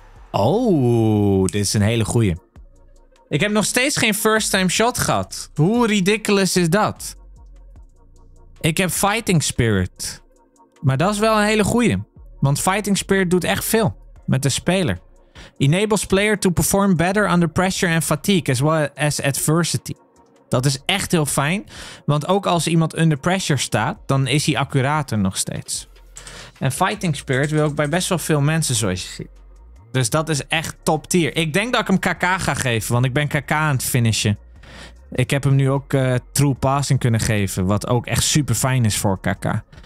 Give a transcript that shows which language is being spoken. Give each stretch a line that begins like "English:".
Dutch: Oh, dit is een hele goeie. Ik heb nog steeds geen first time shot gehad. Hoe ridiculous is dat? Ik heb fighting spirit. Maar dat is wel een hele goeie. Want fighting spirit doet echt veel met de speler.
English: Enables player to perform better under pressure and fatigue as well as adversity.
Dutch: Dat is echt heel fijn. Want ook als iemand under pressure staat, dan is hij accurater nog steeds. En fighting spirit wil ik bij best wel veel mensen, zoals je ziet. Dus dat is echt top tier. Ik denk dat ik hem KK ga geven, want ik ben KK aan het finishen. Ik heb hem nu ook true passing kunnen geven, wat ook echt super fijn is voor KK.